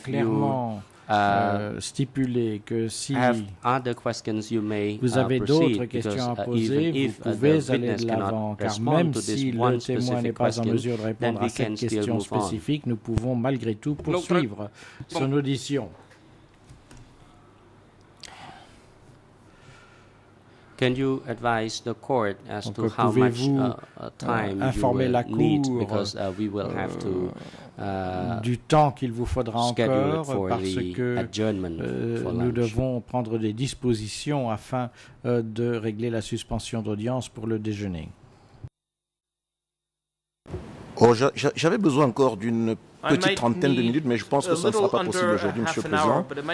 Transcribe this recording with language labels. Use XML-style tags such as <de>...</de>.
<fr>clairement stipuler que si vous avez d'autres questions à poser, vous pouvez aller de l'avant, car même si le témoin n'est pas en mesure de répondre à cette question spécifique, nous pouvons malgré tout poursuivre son audition.</fr> <en>Can you advise the court as to how much time informer you will</en> <fr>la cour,</fr> <en>need because we will have to</en> <fr>du temps qu'il vous faudra encore parce que nous devons prendre des dispositions afin de régler la suspension d'audience pour le déjeuner. Oh, j'avais besoin encore d'une petite trentaine de minutes, mais je pense que ça ne sera pas possible aujourd'hui, Monsieur le Président.</fr>